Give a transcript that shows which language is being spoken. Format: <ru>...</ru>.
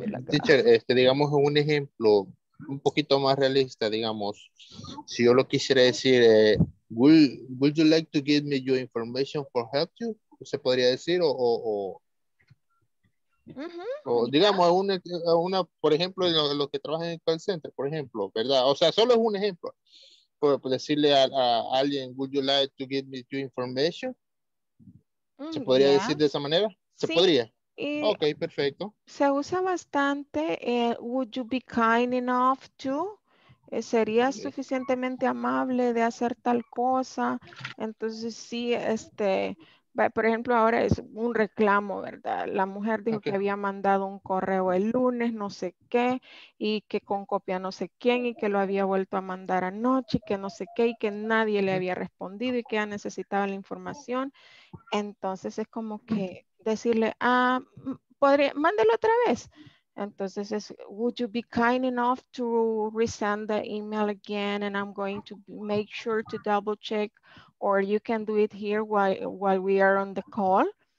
<es>Teacher, digamos un ejemplo un poquito más realista, digamos. Si yo lo quisiera decir,</es> <en>would you like to give me your information for help you?</en> <es>¿Se podría decir o Uh-huh. O digamos una por ejemplo los que trabajan en el call center, por ejemplo, ¿verdad? O sea, solo es un ejemplo. Pues decirle a alguien,</es> <en>would you like to give me your information?</en> <es>¿Se podría decir de esa manera? Se sí. podría. Y ok, perfecto. Se usa bastante</es> <en>would you be kind enough to?</en> <es>¿Sería suficientemente amable de hacer tal cosa? Entonces sí, este, por ejemplo, ahora es un reclamo, ¿verdad? La mujer dijo que había mandado un correo el lunes, no sé qué, y que con copia no sé quién, y que lo había vuelto a mandar anoche, y que no sé qué, y que nadie le había respondido, y que ya necesitaba la información. Entonces es como que decirle, ¿podría, mándelo otra vez? Entonces es,</es> <en>would you be kind enough to resend the email again, and I'm going to make sure to double check, or you can do it here while we are on the call.</en>